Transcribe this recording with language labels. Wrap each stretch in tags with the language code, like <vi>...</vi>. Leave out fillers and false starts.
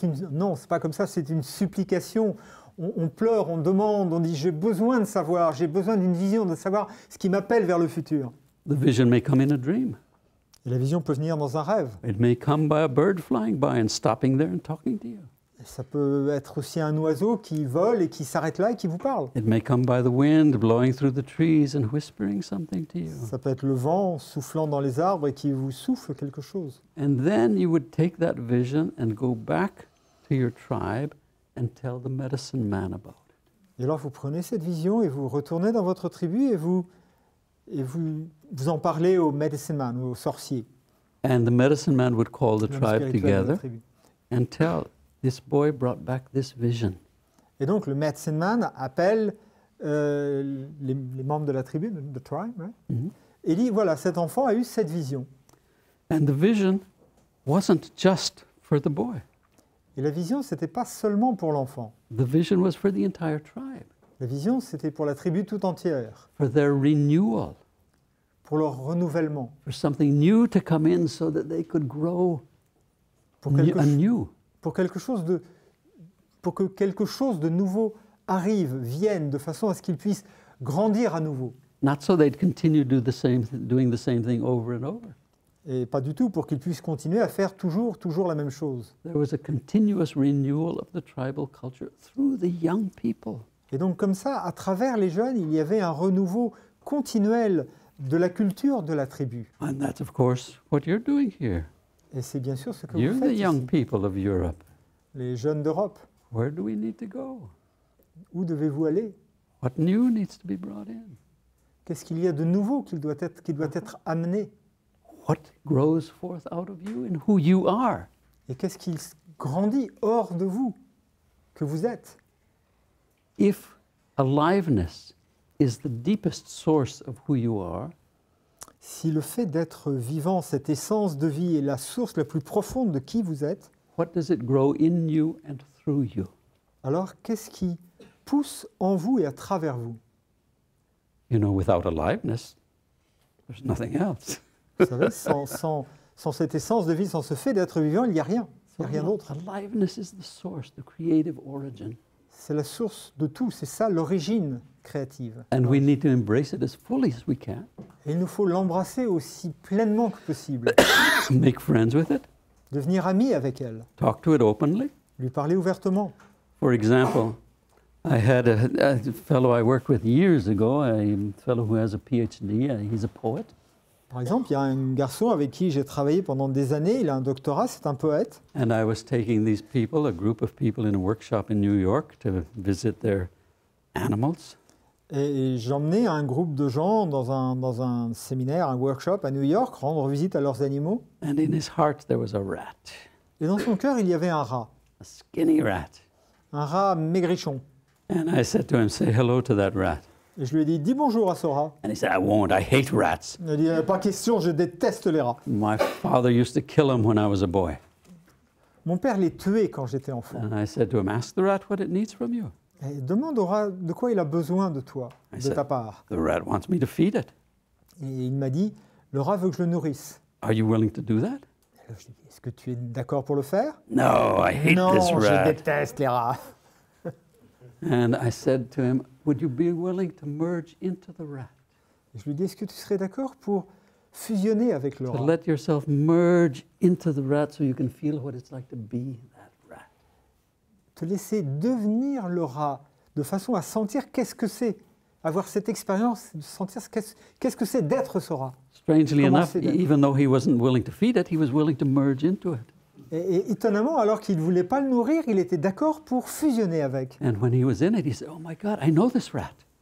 <fr>Non, c'est pas comme ça, c'est une supplication. On pleure, on demande, on dit j'ai besoin de savoir, j'ai besoin d'une vision, de savoir ce qui m'appelle vers le futur.</fr> <en>The vision may come in a dream.</en> <fr>Et la vision peut venir dans un rêve.</fr> <en>It may come by a bird flying by and stopping there and talking to you.</en> <fr>Et ça peut être aussi un oiseau qui vole et qui s'arrête là et qui vous parle.</fr> <en>It may come by the wind blowing through the trees and whispering something to you.</en> <fr>Ça peut être le vent soufflant dans les arbres et qui vous souffle quelque chose.</fr> <en>And then you would take that vision and go back to your tribe and tell the medicine man about it.</en> <fr>Et alors vous prenez cette vision et vous retournez dans votre tribu et vous en parlez au medicine man ou au sorcier.</fr> <en>And the medicine man would call the tribe together and tell this boy brought back this vision.</en> <fr>Et donc le medicine man appelle les membres de la tribu,</fr> <en>the tribe, right?</en> <fr>Mm-hmm. Et dit voilà, cet enfant a eu cette vision.</fr> <en>And the vision wasn't just for the boy.</en> <fr>Et la vision, ce n'était pas seulement pour l'enfant.</fr> <en>The vision was for the entire tribe.</en> <fr>La vision, c'était pour la tribu tout entière.</fr> <en>For their renewal.</en> <fr>Pour leur renouvellement.</fr> <en>For something new to come in so that they could grow anew.</en> <fr>Pour que quelque chose de nouveau arrive, vienne, de façon à ce qu'ils puissent grandir à nouveau.</fr> <en>Not so they'd continue doing the same thing over and over.</en> <fr>Et pas du tout, pour qu'ils puissent continuer à faire toujours la même chose.</fr> <en>There was a continuous renewal of the tribal culture through the young people.</en> <fr>Et donc comme ça, à travers les jeunes, il y avait un renouveau continuel de la culture de la tribu.</fr> <en>And that's of course what you're doing here.</en> <fr>Et c'est bien sûr ce que</fr> <en>you're</en> <fr>vous faites ici.</fr> <en>You're the young people of Europe.</en> <fr>Les jeunes d'Europe.</fr> <en>Where do we need to go?</en> <fr>Où devez-vous aller?</fr> <en>What new needs to be brought in?</en> <fr>Qu'est-ce qu'il y a de nouveau qui doit être amené?</fr> <en>What grows forth out of you and who you are?</en> <fr>Et qu'est-ce qui grandit hors de vous que vous êtes?</fr> <en>If aliveness is the deepest source of who you are,</en> <fr>si le fait d'être vivant, cette essence de vie est la source la plus profonde de qui vous êtes,</fr> <en>what does it grow in you and through you?</en> <fr>Alors qu'est-ce qui pousse en vous et à travers vous?</fr> <en>You know, without aliveness, there's nothing else.</en> <fr>Vous savez, sans cette essence de vie, sans ce fait d'être vivant, il n'y a rien. Il n'y a rien d'autre.</fr> <en>Aliveness is the source, the creative origin.</en> <fr>C'est la source de tout. C'est ça, l'origine créative.</fr> <en>And we need to embrace it as fully as we can.</en> <fr>Et il nous faut l'embrasser aussi pleinement que possible.</fr> <en>Make friends with it.</en> <fr>Devenir ami avec elle.</fr> <en>Talk to it openly.</en> <fr>Lui parler ouvertement.</fr> <en>For example, I had a fellow I worked with years ago, a fellow who has a PhD, he's a poet.</en> <fr>Par exemple, il y a un garçon avec qui j'ai travaillé pendant des années, il a un doctorat, c'est un poète.</fr> <en>And I was taking these people, a group of people in a workshop in New York, to visit their animals.</en> <fr>Et j'emmenais un groupe de gens dans un séminaire, un workshop à New York, rendre visite à leurs animaux.</fr> <en>And in his heart, there was a rat.</en> <fr>Et dans son cœur, il y avait un rat.</fr> <en>A skinny rat.</en> <fr>Un rat maigrichon.</fr> <en>And I said to him, say hello to that rat.</en> <fr>Et je lui ai dit bonjour à ce rat.</fr> <en>And he said, I won't, I hate rats.</en> <fr>Il a dit, pas question, je déteste les rats.</fr> <en>My father used to kill them when I was a boy.</en> <fr>Mon père les tuait quand j'étais enfant.</fr> <en>And I said to him, ask the rat what it needs from you.</en> <fr>Et demande au rat de quoi il a besoin de toi,</fr> <en>I</en> <fr>de</fr> <en>said,</en> <fr>ta part.</fr> <en>The rat wants me to feed it.</en> <fr>Et il m'a dit, le rat veut que je le nourrisse.</fr> <en>Are you willing to do that?</en> <fr>Je lui ai dit, est-ce que tu es d'accord pour le faire?</fr> <en>No, I hate</en> <fr>non,</fr> <en>this rat.</en> <fr>Je déteste les rats.</fr> <en>And I said to him, would you be willing to merge into the rat?</en> <fr>Et je lui ai dit, est-ce que tu serais d'accord pour fusionner avec le rat?</fr> <en>To let yourself merge into the rat so you can feel what it's like to be that rat.</en> <fr>Te laisser devenir le rat de façon à sentir qu'est-ce que c'est. Avoir cette expérience, de sentir qu'est-ce que c'est d'être ce rat.</fr> <en>Strangely enough, even though he wasn't willing to feed it, he was willing to merge into it.</en> <fr>Et étonnamment, alors qu'il ne voulait pas le nourrir, il était d'accord pour fusionner avec.</fr> <en>And when he was in it, he said, oh my God, I know this rat.</en>